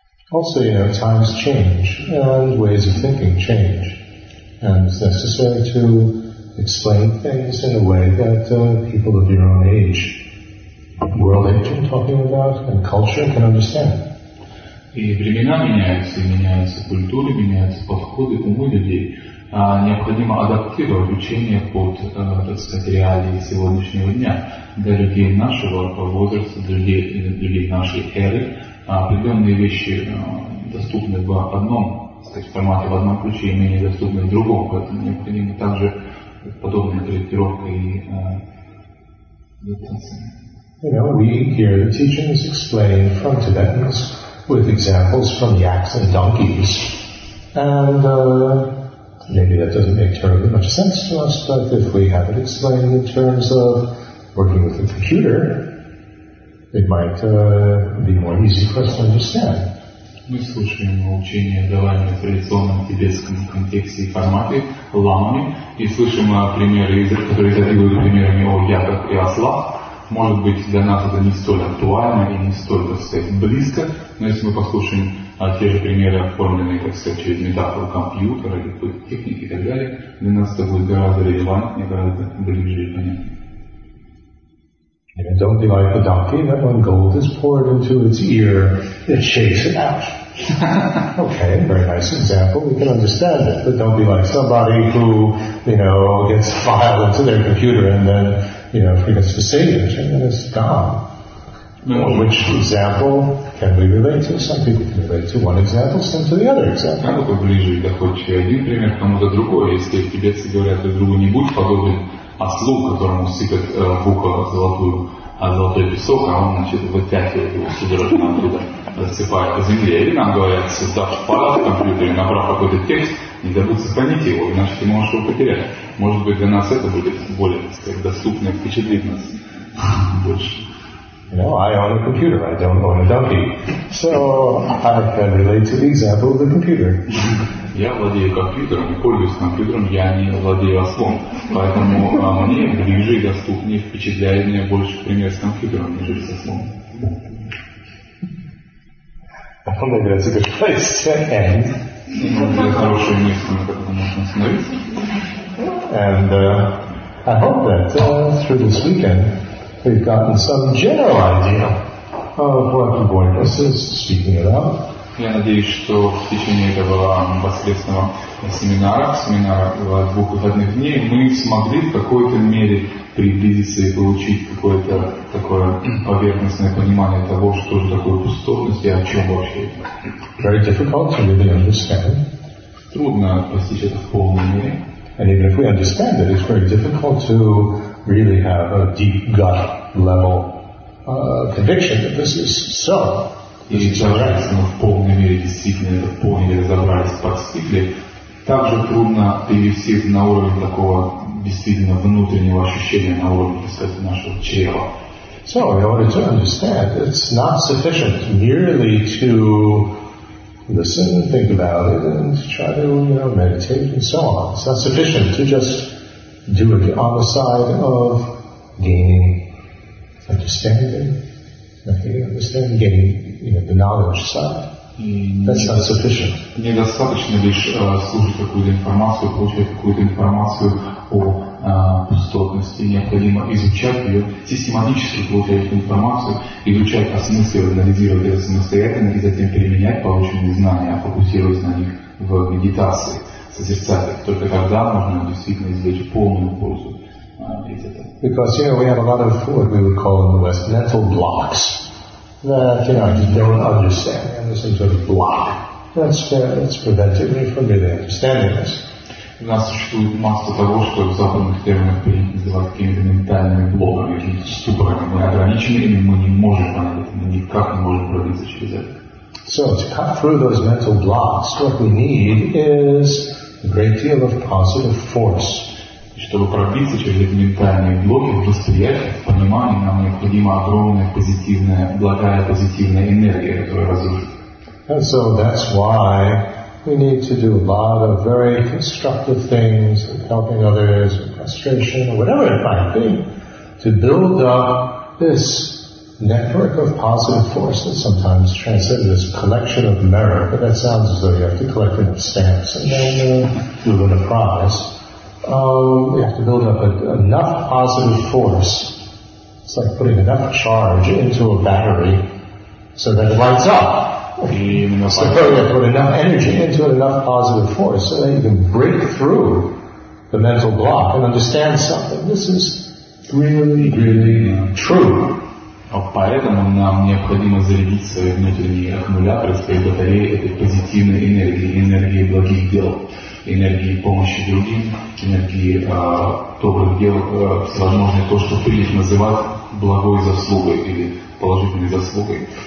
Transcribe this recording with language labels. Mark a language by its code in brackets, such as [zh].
[en] Also, you know, times change and ways of thinking change, and it's necessary to explain things in a way that people of your own age, world age I'm talking about, and culture can understand. [ru] И времена меняются, меняются культуры, меняются подходы, умы людей. Необходимо адаптировать учение под, так сказать, реалии сегодняшнего дня для людей нашего возраста, для людей нашей эры. Определенные вещи доступны в одном, так сказать, формате, в одном ключе, и менее доступны в другом, поэтому необходимо также подобная корректировка и [en] You know, we hear the teachings explained from Tibetans with examples from yaks and donkeys, and maybe that doesn't make terribly much sense to us, but if we have it explained in terms of working with a computer, it might be more easy for us to understand. [ru] Мы слушаем учения, даваемые в традиционном тибетском контексте и формате ламами, и слышим примеры, которые задают примерами о яках и ослах. Может быть, для нас это не столь актуально и не столь, так сказать, близко, но если мы послушаем те же примеры, оформленные, так сказать, через метафору компьютера или какой-то техники и так далее, для нас это будет гораздо релевантнее, гораздо ближе и понятнее. [en] And don't be like the donkey that when gold is poured into its ear, it shakes it out. Okay, very nice example. We can understand it. But don't be like somebody who, you know, gets a file into their computer and then, you know, forgets to save it and then it's gone. Well, which example can we relate to? Some people can relate to one example, some to the other example. [ru] Как бы ближе доходчивее один пример, кому-то другой. Если тибетцы говорят, что другу не будь подобен, ослу, которому сыпят в ухо золотую, золотой песок, а он, значит, вытягивает его, содержит нам туда. рассыпают по земле. Или нам говорят, создав файл в компьютере, набрав какой-то текст, не дадут сохранить его, иначе ты можешь его потерять. Может быть, для нас это будет более, так сказать, доступно и впечатлит нас больше. [en] You know, I own a computer, I don't own a dummy. So, I can relate to the example of the computer. [ru] Я владею компьютером, не пользуюсь компьютером, я не владею ослом. Поэтому мне ближе и доступнее, впечатляет меня больше пример с компьютером, нежели с ослом. [en] Maybe that's a good place to end. [ru] Хорошее место, на котором можно остановиться. [en] And I hope that through this weekend we've gotten some general idea of what the Buddhist is speaking about. [ru] Я надеюсь, что в течение этого воскресного семинара двух выходных дней мы смогли в какой-то мере приблизиться и получить какое-то такое поверхностное понимание того, что же такое пустотность и о чем вообще это. [en] Very difficult to really understand. [ru] Трудно постичь это в полной мере. [en] And even if we understand it, it's very difficult to really have a deep gut level conviction that this is so. [ru] Если человек сам в полной мере действительно это понял и разобрался, постигли, так же трудно перевести на уровень такого действительно внутреннего ощущения, на уровень, так сказать, нашего чрева. [en] So, in order to understand, it's not sufficient merely to listen and think about it and try to, you know, meditate and so on. It's not sufficient to just do it on the side of gaining understanding. Okay, understanding, gaining, you know, the knowledge side. That's not sufficient. [ru] Недостаточно лишь слушать какую-то информацию, получать какую-то информацию о пустотности. Необходимо изучать ее, систематически получать эту информацию, изучать, осмысливать, анализировать ее самостоятельно и затем применять полученные знания, фокусируясь на них в медитации, созерцать. Только тогда можно действительно извлечь полную пользу из этого. [en] Because, you know, we have a lot of what we would call in the West mental blocks that, you know, I just don't understand. And there's some sort of block that's prevented me from really understanding this. [ru] У нас существует масса того, что в западных терминах принято называть какими-то ментальными блоками, ступорами. Мы ограничены ими, мы не можем понять это, мы никак не можем пробиться через это. [en] So, to cut through those mental blocks, what we need is a great deal of positive force. [ru] И чтобы пробиться через эти ментальные блоки, восприятие, понимание, нам необходима огромная позитивная, благая позитивная энергия, которая разрушит. [en] And so that's why we need to do a lot of very constructive things, like helping others, or frustration, or whatever it might be, to build up this network of positive force that sometimes translates as a collection of merit, but that sounds as though you have to collect enough stamps and then you win a prize. We have to build up enough positive force. It's like putting enough charge into a battery so that it lights up. So you have to put enough energy into it, enough positive force, so that you can break through the mental block and understand something. This is really, really true. [ru] Поэтому нам необходимо зарядить свои внутренние аккумуляторы, свои батареи этой позитивной энергией, энергией благих дел, энергией помощи другим, энергией добрых дел, возможно, то, что принято называть благой заслугой или положительной заслугой.